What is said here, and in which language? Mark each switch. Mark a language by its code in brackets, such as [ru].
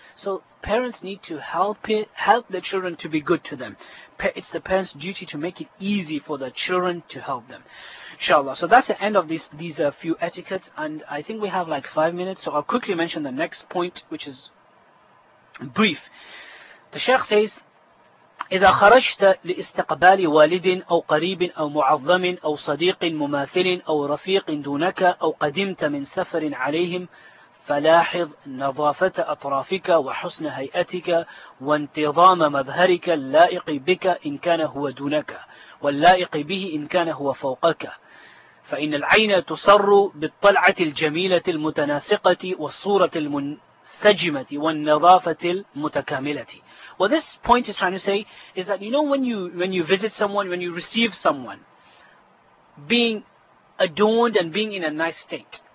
[en] So parents need to help the children to be good to them. It's the parents' duty to make it easy for the children to help them. Inshallah. So that's the end of these few etiquettes. And I think we have like 5 minutes. So I'll quickly mention the next point, which is brief. The Sheikh says, [ar] إِذَا خَرَجْتَ لِإِسْتَقْبَالِ وَالِدٍ أَوْ قَرِيبٍ أَوْ مُعَظَّمٍ أَوْ صَدِيقٍ مُمَاثِلٍ أَوْ رَفِيقٍ دُونَكَ أَوْ قَدِمْتَ مِنْ سَفَرٍ عَلَيْهِمْ فلاحظ نظافة أطرافك وحسن هيئتك وانتظام مظهرك اللائق بك إن كان هو دونك واللائق به إن كان هو فوقك فإن العين تصر بالطلعة الجميلة المتناسقة والصورة المنسجمة والنظافة المتكاملة. [en] Well, this point is trying to say is that, you know, when you visit someone, when you receive someone, being adorned and being in a nice state.